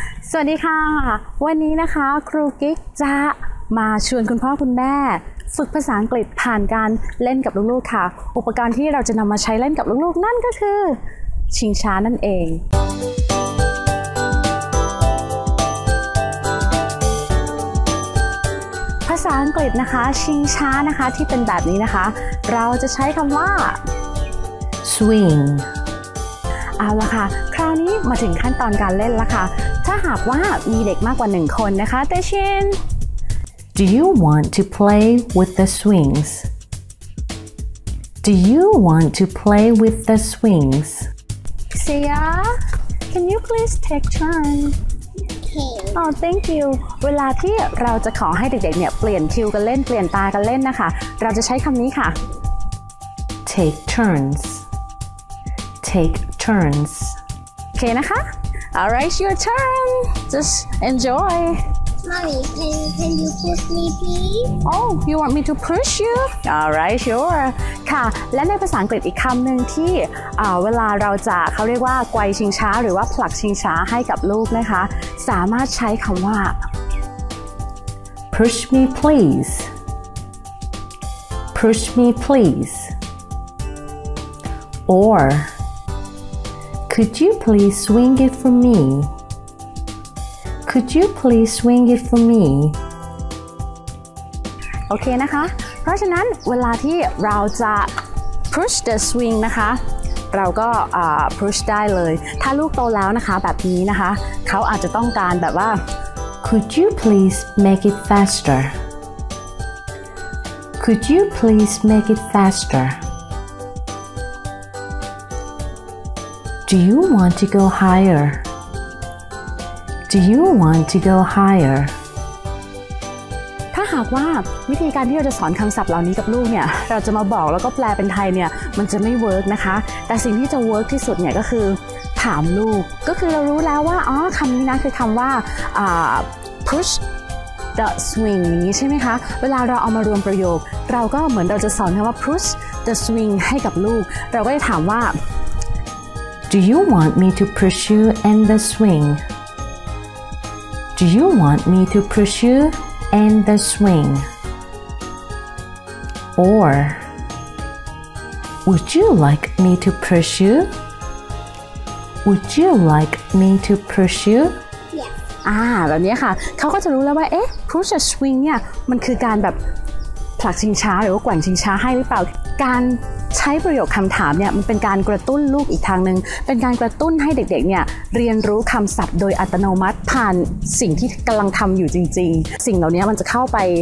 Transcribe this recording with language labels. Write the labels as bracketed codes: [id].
[th] สวัสดีค่ะวันนี้นะคะครูกิ๊กจะมาชวนคุณพ่อคุณแม่ฝึกภาษาอังกฤษผ่านการเล่นกับลูกๆค่ะอุปกรณ์ที่เราจะนำมาใช้เล่นกับลูกๆนั่นก็คือชิงช้านั่นเองภาษาอังกฤษนะคะชิงช้านะคะที่เป็นแบบนี้นะคะเราจะใช้คำว่า [en] swing [th] เอาละค่ะคราวนี้มาถึงขั้นตอนการเล่นละค่ะถ้าหากว่ามีเด็กมากกว่า1คนนะคะแต่เช่น [en] Do you want to play with the swings? Do you want to play with the swings? Sia, can you please take turn? Okay. Oh, thank you. [th] เวลาที่เราจะขอให้เด็กๆเนี่ยเปลี่ยนคิวกันเล่นเปลี่ยนตากันเล่นนะคะเราจะใช้คำนี้ค่ะ [en] Take turns. Take turns. Okay [th] นะคะ [en] All right, your turn. Just enjoy. Mommy, can you push me, please? Oh, you want me to push you? All right, sure. [th] ค่ะและในภาษาอังกฤษอีกคำหนึ่งที่เวลาเราจะเขาเรียกว่าไกวชิงช้าหรือว่าผลักชิงช้าให้กับลูกนะคะสามารถใช้คำว่า [en] push me, please. Push me, please. Or. Could you please swing it for me? Could you please swing it for me? [th] โอเคนะคะเพราะฉะนั้นเวลาที่เราจะ [en] push the swing [th] นะคะเราก็push ได้เลยถ้าลูกโตแล้วนะคะแบบนี้นะคะเขาอาจจะต้องการแบบว่า [en] Could you please make it faster? Could you please make it faster? Do you want to go higher? Do you want to go higher? [th] ถ้าหากว่าวิธีการที่เราจะสอนคำศัพท์เหล่านี้กับลูกเนี่ยเราจะมาบอกแล้วก็แปลเป็นไทยเนี่ยมันจะไม่เวิร์กนะคะแต่สิ่งที่จะเวิร์กที่สุดเนี่ยก็คือถามลูกก็คือเรารู้แล้วว่าอ๋อคำนี้นะคือคำว่า [en] push the swing [th] นี้ใช่ไหมคะเวลาเราเอามารวมประโยคเราก็เหมือนเราจะสอนคำว่า push the swing ให้กับลูกเราก็จะถามว่า [en] Do you want me to push you and the swing? Do you want me to push you and the swing? Or would you like me to push you? Would you like me to push you? Yeah. [th] แบบนี้ค่ะเขาก็จะรู้แล้วว่าเอ๊ะ [en] push a swing [th] เนี่ยมันคือการแบบผลักชิงช้าหรือว่าแกว่งชิงช้าให้หรือเปล่าการใช้ประโยคคำถามเนี่ยมันเป็นการกระตุ้นลูกอีกทางนึงเป็นการกระตุ้นให้เด็กๆเนี่ยเรียนรู้คำศัพท์โดยอัตโนมัติผ่านสิ่งที่กำลังทำอยู่จริงๆสิ่งเหล่านี้มันจะเข้าไป